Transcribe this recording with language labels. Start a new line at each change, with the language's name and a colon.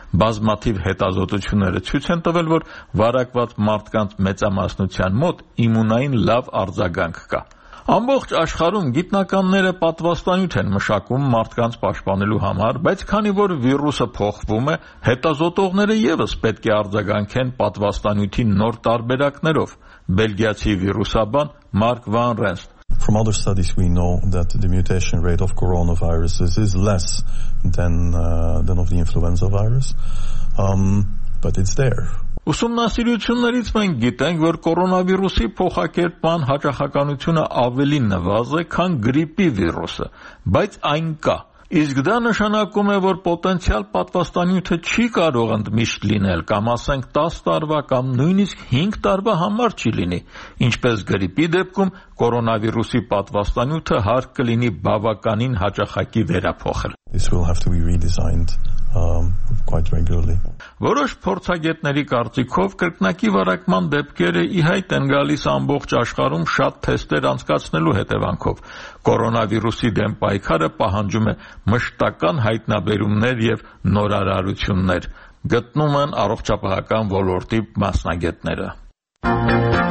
Armenian: Բազմաթիվ հետազոտությունները ցույց են տվել, որ վարակված մարդկանց մեծամասնության մոտ իմունային լավ արձագանք կա։ Ամբողջ աշխարհում գիտնականները պատվաստանյութ են մշակում մարդկանց պաշտպանելու համար, բայց քանի որ վիրուսը փոխվում է, հետազոտողները ևս պետք է արձագանքեն պատվաստանյութի նոր տարբերակներով։ Բելգիացի վիրուսաբան Մարկ Վան Ռենս.
English: From other studies we know that the mutation rate of coronaviruses is less than of the influenza virus. But it's there.
Armenian: Ուսումնասիրություններից մենք գիտենք, որ կորոնավիրուսի փոխակերպման հաճախականությունը ավելի նվազ է, քան գրիպի վիրուսը, բայց այն կա։ Իսկ դա նշանակում է, որ պոտենցիալ պատվաստանյութը չի կարող ընդմիշտ լինել, կամ ասենք 10 տարվա կամ նույնիսկ 5 տարվա համար չի լինի։ Ինչպես գրիպի դեպքում, կորոնավիրուսի պատվաստանյութը հարկ կլինի բավականին հաճախակի վերափոխել։
English: This will have to be redesigned quite regularly.
Armenian: Որոշ փորձագետների կարծիքով կրկնակի վարակման դեպքերը ի հայտ են գալիս ամբողջ աշխարհում շատ թեստեր անցկացնելու հետևանքով։ Կորոնավիրուսի դեմ պայքարը պահանջում է մշտական հայտնաբերումներ եւ նորարարություններ, գտնում են առողջապահական ոլորտի մասնագետները։